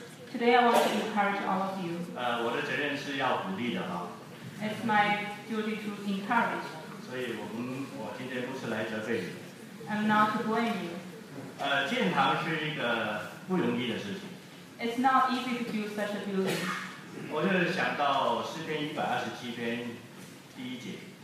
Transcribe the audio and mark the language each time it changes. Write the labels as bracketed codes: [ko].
[en] Today I want to encourage all of you. [zh] 我的责任是要鼓励的啊。 [en] It's my duty to encourage. [zh] 所以我今天不是来责备你。 [en] I'm not to blame you. [zh] 建堂是一个不容易的事情。 [en] It's not easy to build such a building. [zh] 我就想到诗篇127篇第一节。